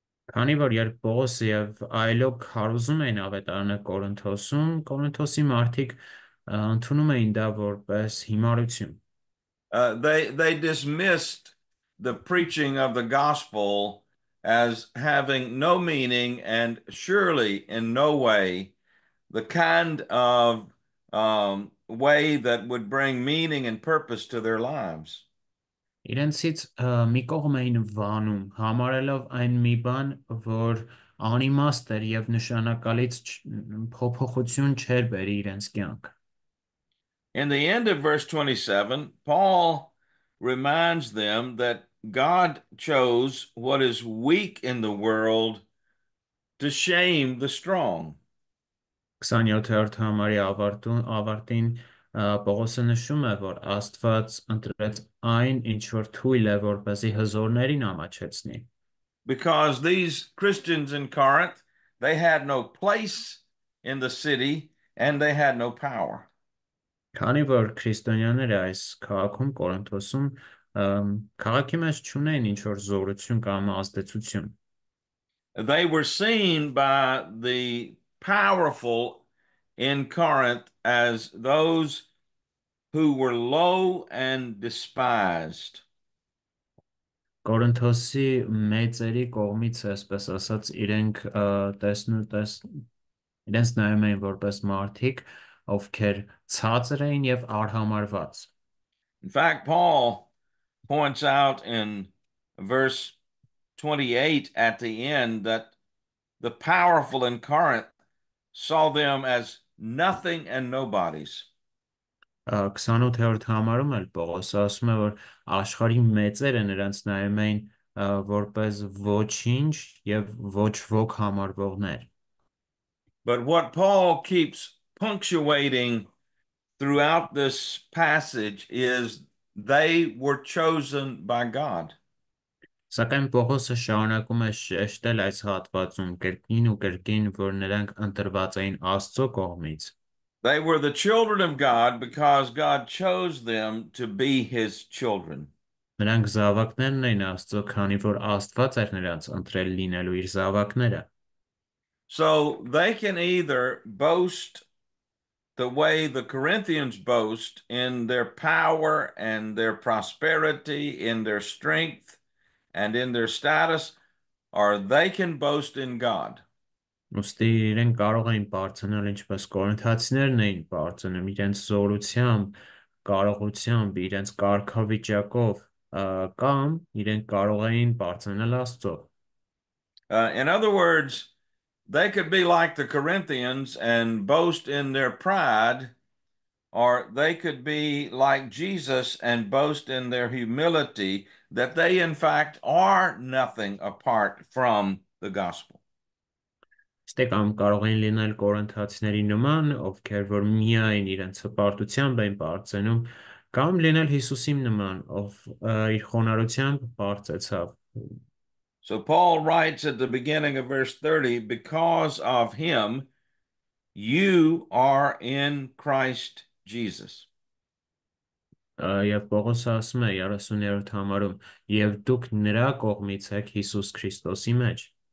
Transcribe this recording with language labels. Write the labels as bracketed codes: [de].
[hy] Քանի որ երբ Պողոսը եւ այլոք հարուզում էին ավետարանը Կորինթոսում, Կորինթոսի մարդիկ ընդունում էին դա որպես հիմարություն։ [en] They dismissed the preaching of the gospel as having no meaning and surely in no way the kind of way that would bring meaning and purpose to their lives. [hy] Իրենցից մի կողմ էին վանում, համարելով այն մի բան, որ անիմաստ էր եւ նշանակալից փոփոխություն չէր բերի իրենց կյանք։ [en] In the end of verse 27, Paul reminds them that God chose what is weak in the world to shame the strong. [hy] 27-րդ համարի ավարտին Պողոսը նշում է, որ Աստված ընտրեց այն, ինչ որ թույլ է, որպեսզի հզորներին ամաչեցնի. [en] Because these Christians in Corinth, they had no place in the city and they had no power. [hy] Քանի որ քրիստոնյաները այս քաղաքում Կորինթոսում քաղաքի մեջ չունեին ինչ որ զորություն կամ ազդեցություն. [en] They were seen by the powerful in Corinth as those who were low and despised. [hy] Կորինթոսի մեծերի կողմից այսպես ասած իրենք տեսնուտես իրենց նայում էին որպես մարդիկ, ովքեր ցածր էին եւ արհամարված։ [en] In fact, Paul points out in verse 28 at the end that the powerful in Corinth saw them as nothing and nobodies. [hy] 28-րդ համարում էլ Պողոսը ասում է, որ աշխարհի մեծերը նրանց նայում էին որպես ոչինչ եւ ոչ ոք համարվողներ։ [en] But what Paul keeps punctuating throughout this passage is they were chosen by God. [hy] Սակայն Պողոսը շարունակում է շեշտել այս հատվածում կրկին ու կրկին, որ նրանք ընտրված էին Աստծո կողմից։ [en] They were the children of God because God chose them to be his children. [hy] Նրանք զավակներն էին Աստծո, քանի որ Աստված էր նրանց ընտրել լինելու իր զավակները։ [en] So they can either boast the way the Corinthians boast in their power and their prosperity, in their strength and in their status, or they can boast in God. [hy] Ուստի իրեն կարող էին բարձնել ինչպես կորինթացիներն էին բարձնում իրենց զորությամբ, կարողությամբ, իրենց կարգավիճակով, կամ իրեն կարող էին բարձնել Աստծո. [en] In other words, they could be like the Corinthians and boast in their pride, or they could be like Jesus and boast in their humility that they in fact are nothing apart from the gospel. [hy] Ստեղամ կարող են լինել կորինթացիների նման, ովքեր որ միայն իրենց հպարտությամբ են բարձրանում, կամ լինել Հիսուսի նման, ով իր խոնարհությամբ բարձեցավ. [en] So Paul writes at the beginning of verse 30, because of him, you are in Christ Jesus. [hy] Եվ Պողոս ասում է 30-րդ համարում, եւ դուք նրա կողմից եք Հիսուս Քրիստոսի մեջ.